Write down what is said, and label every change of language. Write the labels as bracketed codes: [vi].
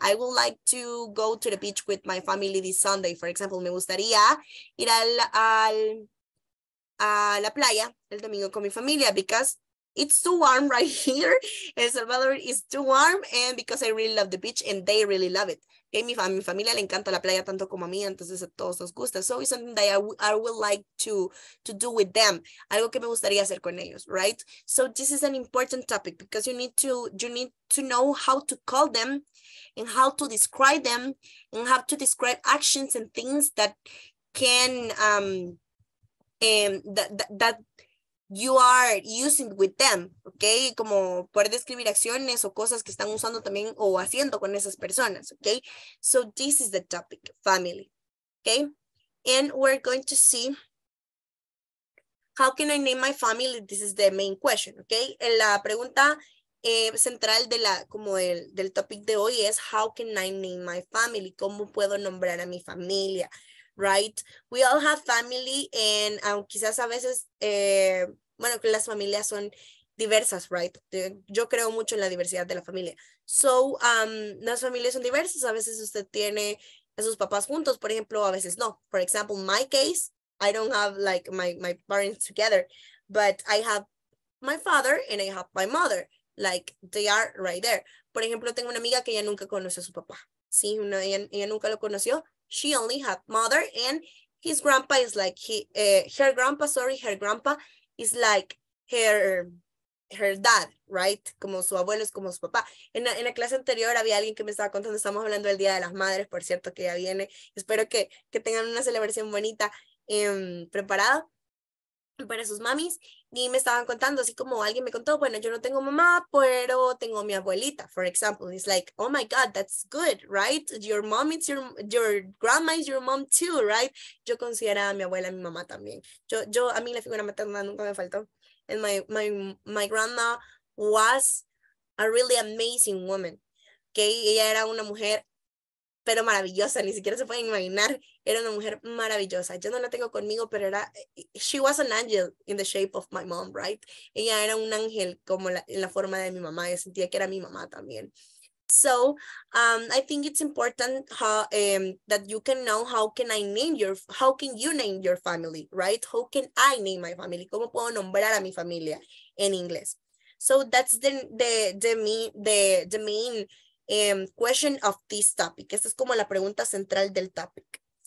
[en] I would like to go to the beach with my family this Sunday, for example. [es] Me gustaría ir a la playa el domingo con mi familia, [en] because it's too warm right here. El Salvador is too warm, and because I really love the beach and they really love it. [es] Okay, mi familia le encanta la playa tanto como a mí, entonces a todos nos gusta. [en] So it's something that I would like to do with them. [es] Algo que me gustaría hacer con ellos, right? [en] So this is an important topic because you need to know how to call them and how to describe them and how to describe actions and things that can that you are using with them, ¿ok? [es] Como poder describir acciones o cosas que están usando también o haciendo con esas personas, ¿ok? [en] So this is the topic, family, ¿ok? And we're going to see how can I name my family. This is the main question, ¿ok? [es] La pregunta central de la como del topic de hoy es [en] how can I name my family. [es] ¿Cómo puedo nombrar a mi familia? Right? [en] We all have family and [es] quizás a veces bueno, que las familias son diversas, right? Yo creo mucho en la diversidad de la familia. So, las familias son diversas. A veces usted tiene a sus papás juntos, por ejemplo, a veces no. [en] For example, my case, I don't have like my parents together, but I have my father and I have my mother. Like, they are right there. [es] Por ejemplo, tengo una amiga que ella nunca conoció a su papá. Sí, ella nunca lo conoció. [en] She only had mother and his grandpa is like her grandpa, sorry, her grandpa is like her dad, right? [es] Como su abuelo es como su papá. En la clase anterior había alguien que me estaba contando, estamos hablando del Día de las Madres, por cierto, que ya viene. Espero que tengan una celebración bonita preparada para sus mamis. Y me estaban contando, así como alguien me contó, bueno, yo no tengo mamá, pero tengo a mi abuelita, [en] for example. It's like, oh my God, that's good, right? Your mom is your grandma is your mom too, right? [es] Yo consideraba a mi abuela mi mamá también. A mí la figura materna nunca me faltó. [en] And my grandma was a really amazing woman, okay? [es] Ella era una mujer, pero maravillosa, ni siquiera se pueden imaginar. Era una mujer maravillosa. Yo no la tengo conmigo, pero era. [en] She was an angel in the shape of my mom, right? [es] Ella era un ángel como en la forma de mi mamá. Yo sentía que era mi mamá también. [en] So, I think it's important that you can know how can you name your family, right? How can I name my family? [es] ¿Cómo puedo nombrar a mi familia en inglés? [en] So, that's the main question of this topic. [es] Esta es como la pregunta central del topic.